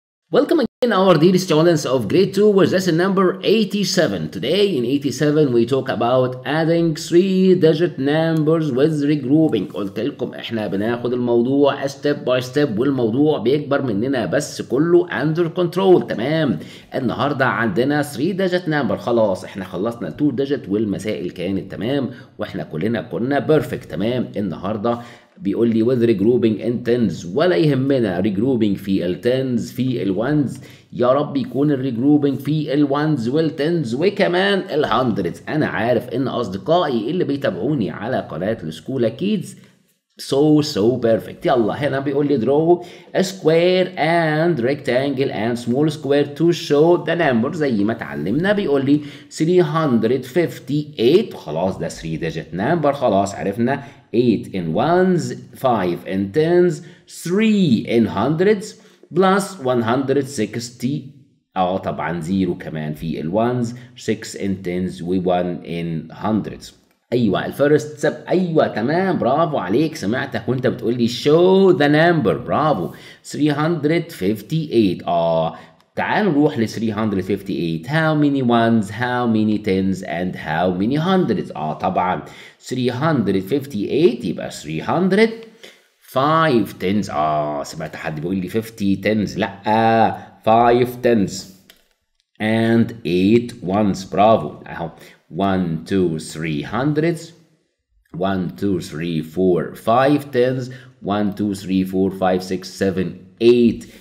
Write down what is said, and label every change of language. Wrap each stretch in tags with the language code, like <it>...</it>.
<en>Welcome again, our dear students of grade 2, with lesson number 87. Today, in 87, we talk about adding three-digit numbers with regrouping.</en> <ar>قلت لكم احنا بناخد الموضوع</ar> <en>step by step</en> <ar>والموضوع بيكبر مننا بس كله</ar> <en>under control.</en> <ar>تمام. النهاردة عندنا</ar> <en>three-digit number.</en> <ar>خلاص احنا خلصنا two-digit والمسائل كانت تمام. واحنا كلنا كنا perfect. تمام. النهاردة بيقول لي</ar> <en>with regrouping in tens</en> <ar>ولا يهمنا regrouping في التنز في الوانز يا رب يكون الريجروبينج في الوانز والتنز وكمان الهندردز. انا عارف ان اصدقائي اللي بيتابعوني على قناة الاسكولة كيدز</ar> <en>so perfect.</en> <ar>يلا هنا بيقول لي</ar> <en>draw a square and rectangle and small square to show the number</en> <ar>زي ما تعلمنا. بيقول لي 358 خلاص ده</ar> <en>3 digit number. خلاص عرفنا 8 in ones, 5 in tens, 3 in hundreds, plus 160</en> <ar>أو طبعا 0 كمان في الوانز,</ar> <en>6 in tens, و 1 in hundreds.</en> <ar>أيوة الفيرست سب. أيوة تمام برافو عليك, سمعتك وانت بتقول لي</ar> <en>show the number.</en> <ar>برافو 358. تعال نروح ل 358.</ar> <en>How many ones, how many tens, and how many hundreds.</en> <ar>طبعا 358 يبقى 300 5 tens. سمعت حد بيقول لي 50 tens. لا</ar> <en>5 tens and 8 ones.</en> <ar>برافو 1 2 3 hundreds, 1 2 3 4 5 tens, 1 2 3 4 5 6 7 8.</ar>